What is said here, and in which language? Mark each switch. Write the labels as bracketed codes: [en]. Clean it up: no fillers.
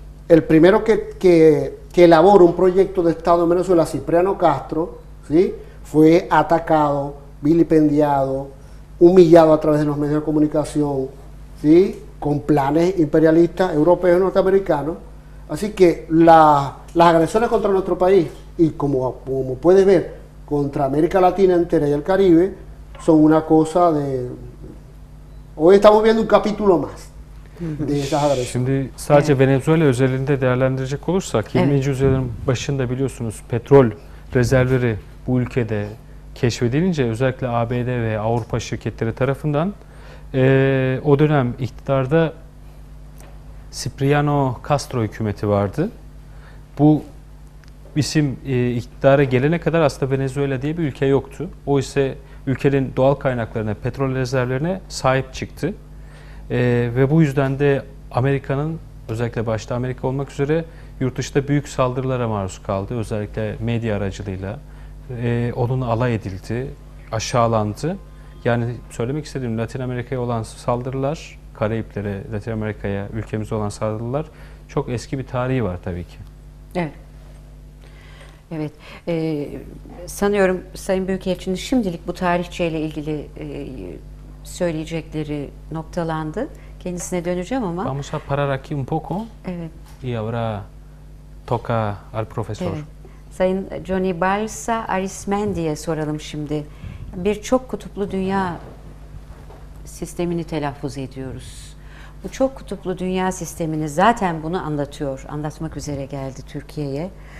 [es] El primero que elaboró un proyecto de Estado en Venezuela, Cipriano Castro, ¿sí?, fue atacado, vilipendiado, humillado a través de los medios de comunicación, ¿sí?, con planes imperialistas europeos y norteamericanos. Así que las agresiones contra nuestro país y, como puedes ver, contra América Latina entera y el Caribe, son una cosa de... Hoy estamos viendo un capítulo más de esas agresiones. [tr] Şimdi sadece evet. Venezuela özelinde değerlendirecek olursak, 20. Evet. yüzyılın başında biliyorsunuz petrol rezervleri bu ülkede keşfedilince özellikle ABD ve Avrupa şirketleri tarafından, o dönem iktidarda Cipriano Castro hükümeti vardı. Bu bizim iktidara gelene kadar aslında Venezuela diye bir ülke yoktu. O ise ülkenin doğal kaynaklarına, petrol rezervlerine sahip çıktı. Ve bu yüzden de Amerika'nın, özellikle başta Amerika olmak üzere, yurt dışında büyük saldırılara maruz kaldı. Özellikle medya aracılığıyla onun alay edildi, aşağılandı. Yani söylemek istediğim, Latin Amerika'ya olan saldırılar, Karayiplere, Latin Amerika'ya, ülkemize olan saldırılar çok eski bir tarihi var tabii ki. Evet. Sanıyorum Sayın Büyükelçinin şimdilik bu tarihçeyle ilgili söyleyecekleri noktalandı. Kendisine döneceğim ama. [es] Vamos a parar aquí un poco. [tr] Evet. [es] Y ahora toca al profesor. [tr] Evet. Sayın Johnny Balsa Arismendi'ye soralım şimdi. Bir çok kutuplu dünya sistemini telaffuz ediyoruz. Bu çok kutuplu dünya sistemini zaten bunu anlatıyor, anlatmak üzere geldi Türkiye'ye.